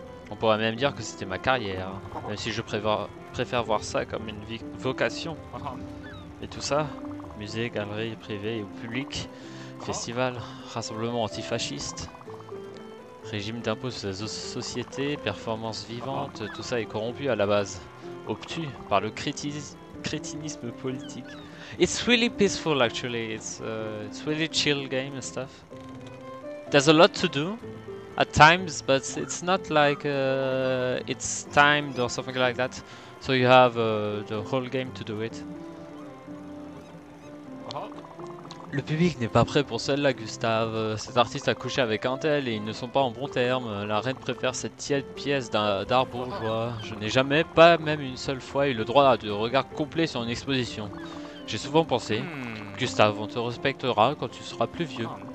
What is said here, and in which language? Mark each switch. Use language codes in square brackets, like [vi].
[fr] On pourrait même dire que c'était ma carrière, même si je préfère voir ça comme une vocation. Et tout ça, musée, galerie, privé ou public, festival, rassemblement antifasciste, régime d'impôts sur les sociétés, performances vivantes, tout ça est corrompu à la base. Obtus par le crétinisme politique. [en] It's really peaceful actually, it's really chill game and stuff. There's a lot to do at times, but it's not like it's timed or something like that. So you have the whole game to do it. [fr] Le public n'est pas prêt pour celle-là, Gustave. Cet artiste a couché avec un tel et ils ne sont pas en bon terme. La reine préfère cette tiède pièce d'art bourgeois. Je n'ai jamais, pas même une seule fois, eu le droit de regard complet sur une exposition. J'ai souvent pensé, Gustave, on te respectera quand tu seras plus vieux.